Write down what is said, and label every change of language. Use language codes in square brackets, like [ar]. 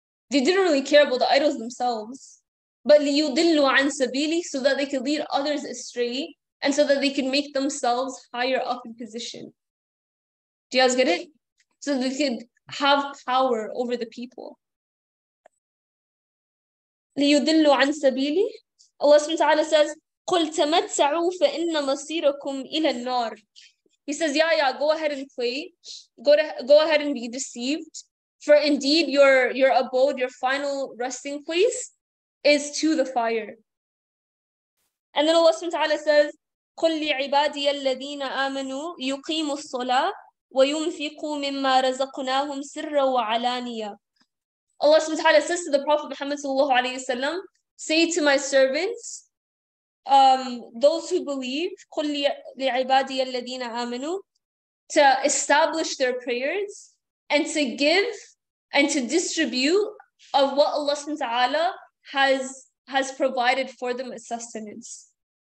[en] They didn't really care about the idols themselves. But [ar] لِيُضِلُّوا عَنْ سَبِيلِي, [en] so that they could lead others astray and so that they can make themselves higher up in position. Do you guys get it? So they could have power over the people. [ar] لِيُضِلُّوا عَنْ سَبِيلِي. [en] Allah subhanahu wa ta'ala says, [ar] قُلْ تَمَتْسَعُوا فَإِنَّ مَصِيرَكُمْ إِلَى النَّارِ. [en] He says, yeah, go ahead and play. Go ahead and be deceived. For indeed, your abode, your final resting place, is to the fire. And then Allah subhanahu wa ta'ala says, [ar] قُلْ لِعِبَادِيَ الَّذِينَ آمَنُوا يُقِيمُوا الصَّلَاةِ وَيُنْفِقُوا مِمَّا رَزَقْنَاهُمْ سِرًّا وَعَلَانِيَةً. [en] Allah subhanahu wa ta'ala says to the Prophet Muhammad sallallahu alayhi wa sallam, say to my servants, those who believe, [ar] قُلْ لِعِبَادِيَ الَّذِينَ آمَنُوا, [en] to establish their prayers and to give and to distribute of what Allah subhanahu wa ta'ala has provided for them as sustenance.